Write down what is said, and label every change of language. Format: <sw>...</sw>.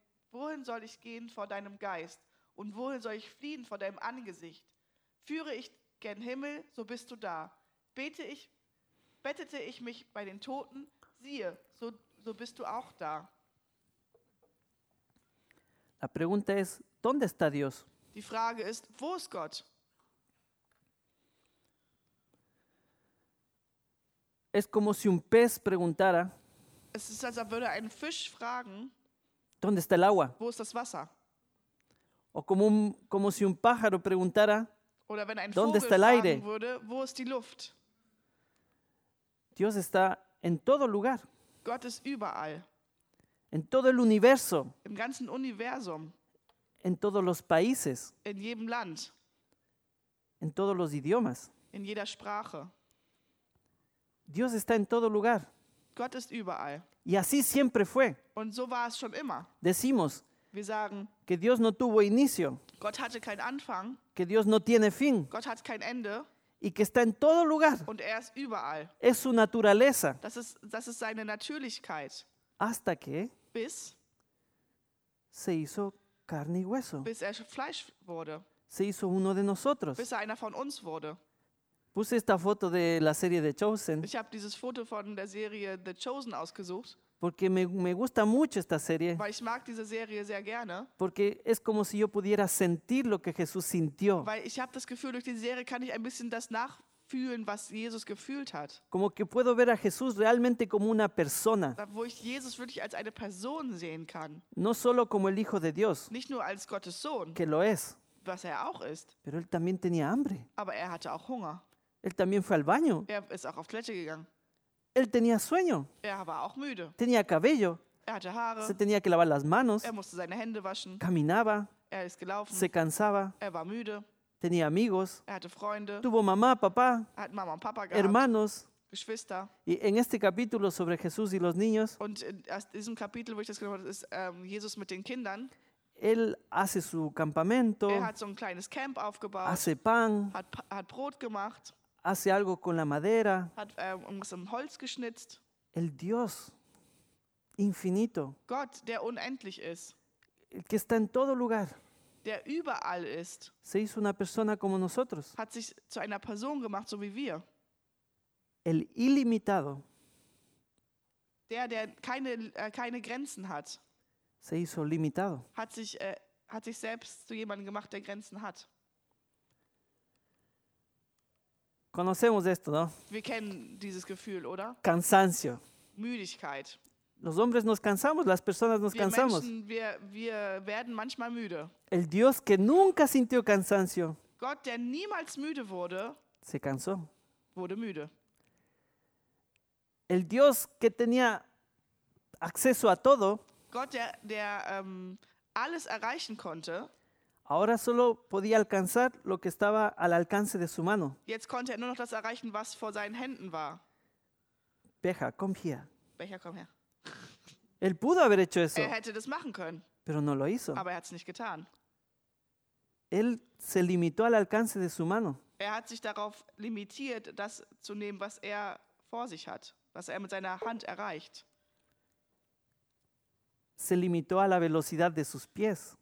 <de>Wohin soll ich gehen vor deinem Geist? Und wohin soll ich fliehen vor deinem Angesicht? Führe ich gen Himmel, so bist du da. Bettete ich mich bei den Toten, siehe, so bist du auch da.</de> <es>La pregunta es, ¿dónde está Dios?</es> <de>Die Frage ist, wo ist Gott?</de> <es>Es como si un pez preguntara.</es> <de>Es ist, als würde ein Fisch fragen.</de> <es>¿Dónde está el agua?</es> <de>Wo ist das Wasser?</de> <es>O como si un pájaro preguntara.</es> <de>Oder wenn ein</de> <es>¿dónde</es> <de>Vogel</de> <es>está el aire?</es> <de>Fragen würde, wo ist die Luft?</de> <es>Dios está en todo lugar.</es> <de>Gott ist überall.</de> <es>En todo el universo.</es> <de>Im ganzen Universum.</de> <es>En todos los países.</es> <de>In jedem Land.</de> <es>En todos los idiomas.</es> <de>In jeder Sprache.</de> <es>Dios está en todo lugar.</es> <de>Gott ist überall.</de> <es>Y así siempre fue.</es> <de>Und so war es schon immer.</de> <es>Decimos.</es> <de>Wir sagen.</de> <es>Que Dios no tuvo inicio.</es> <de>Gott hatte keinen Anfang.</de> <es>Que Dios no tiene fin.</es> <de>Gott hat kein Ende.</de> <es>Y que está en todo lugar.</es> <de>Und er ist überall.</de> <es>Es su naturaleza.</es> <de>Das ist seine Natürlichkeit.</de> <es>Hasta que.</es> <de>Bis.</de> <es>Se hizo carne y hueso.</es> <de>Bis er Fleisch wurde.</de> <es>Se hizo uno de nosotros.</es> <de>Bis er einer von uns wurde.</de> <es>Puse esta foto de la serie The Chosen.</es> <de>Ich habe dieses Foto von der Serie The Chosen ausgesucht.</de> <es>Porque me gusta mucho esta serie.</es> <de>Weil ich mag diese Serie sehr gerne.</de> <es>Porque es como si yo pudiera sentir lo que Jesús sintió.</es> <de>Weil ich habe das Gefühl, durch diese Serie kann ich ein bisschen das nachfühlen, was Jesus gefühlt hat.</de> <es>Como que puedo ver a Jesús realmente como una persona.</es> <de>Da, wo ich Jesus wirklich als eine Person sehen kann.</de> <es>No solo como el Hijo de Dios.</es> <de>Nicht nur als Gottes Sohn.</de> <es>Que lo es.</es> <de>Was er auch ist.</de> <es>Pero él también tenía hambre.</es> <de>Aber er hatte auch Hunger.</de> <es>Él también fue al baño.</es> <de>Er ist auch auf Toilette gegangen.</de> <es>Él tenía sueño.</es> <de>Er war auch müde.</de> <es>Tenía cabello.</es> <de>Er hatte Haare.</de> <es>Se tenía que lavar las manos.</es> <de>Er musste seine Hände waschen.</de> <es>Caminaba.</es> <de>Er ist gelaufen.</de> <es>Se cansaba.</es> <de>Er war müde.</de> <es>Tenía amigos.</es> <de>Er hatte Freunde.</de> <es>Tuvo mamá, papá.</es> <de>Er hat Mama und Papa gehabt.</de> <es>Hermanos.</es> <de>Geschwister.</de> <es>Y en este capítulo sobre Jesús y los niños.</es> <de>Und in diesem Kapitel, wo ich das genommen habe, ist Jesus mit den Kindern.</de> <es>Él hace su campamento.</es> <de>Er hat so ein kleines Camp aufgebaut.</de> <es>Hace pan.</es> <de>Hat Brot gemacht.</de> <es>Hace algo con la madera.</es> <de>Hat irgendwas im Holz geschnitzt.</de> <es>El Dios infinito.</es> <de>Gott, der unendlich ist.</de> <es>El que está en todo lugar.</es> <de>Der überall ist.</de> <es>Se hizo una persona como nosotros.</es> <de>Hat sich zu einer Person gemacht, so wie wir.</de> <es>El ilimitado.</es> <de>Der keine Grenzen hat.</de> <es>Se hizo limitado.</es> <de>Hat sich selbst zu jemandem gemacht, der Grenzen hat.</de> <es>Conocemos esto, ¿no?</es> <de>Wir kennen dieses Gefühl, oder?</de> <es>Cansancio.</es> <de>Müdigkeit.</de> <es>Los hombres nos cansamos, las personas nos cansamos.</es> <de>Menschen, wir werden manchmal müde.</de> <es>El Dios que nunca sintió cansancio.</es> <de>Gott, der niemals müde wurde.</de> <es>Se cansó.</es> <de>Wurde müde.</de> <es>El Dios que tenía acceso a todo.</es> <de>Gott, der alles erreichen konnte.</de> <es>Ahora solo podía alcanzar lo que estaba al alcance de su mano.</es> <de>Jetzt konnte er nur noch das erreichen, was vor seinen Händen war. Becher, komm hier. Becher, komm her.</de> <es>Él pudo haber hecho eso.</es> <de>Er hätte das machen können.</de> <es>Pero no lo hizo.</es> <de>Aber er hat es nicht getan.</de> <es>Él se limitó al alcance de su mano.</es> <de>Er hat sich darauf limitiert, das zu nehmen, was er vor sich hat, was er mit seiner Hand erreicht.</de> <es>Se limitó a la velocidad de sus pies.</es>